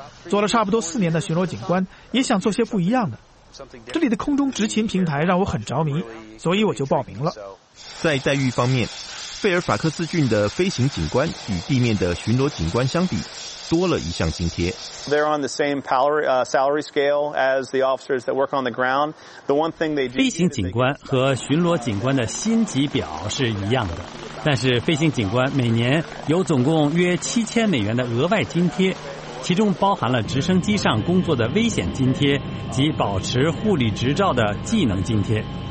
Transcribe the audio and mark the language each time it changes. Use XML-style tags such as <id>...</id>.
<zh>做了差不多4年的巡逻警官，也想做些不一样的。这里的空中执勤平台让我很着迷，所以我就报名了。在待遇方面，费尔法克斯郡的飞行警官与地面的巡逻警官相比，多了一项津贴。</zh> <en>They're on the same salary scale as the officers that work on the ground. The one thing they do.</en> <zh>飞行警官和巡逻警官的薪级表是一样的，但是飞行警官每年有总共约$7,000的额外津贴，其中包含了直升机上工作的危险津贴及保持护理执照的技能津贴。</zh>